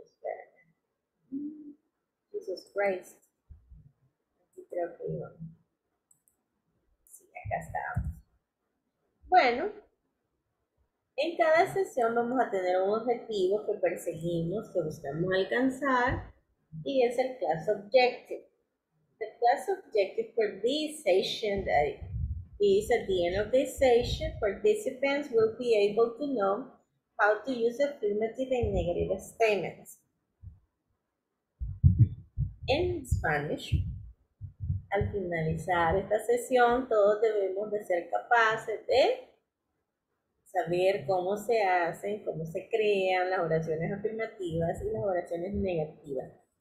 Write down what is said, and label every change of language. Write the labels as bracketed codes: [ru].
[es] Espérame. Jesus Christ. Aquí creo que iba. Sí, acá estamos. Bueno, en cada sesión vamos a tener un objetivo que perseguimos, que buscamos alcanzar, y es el class objective. [en] The class objective for this session is at the end of this session, participants will be able to know how to use affirmative and negative statements. In Spanish, [es] al finalizar esta sesión, todos debemos de ser capaces de saber cómo se hacen, cómo se crean las oraciones afirmativas y las oraciones negativas.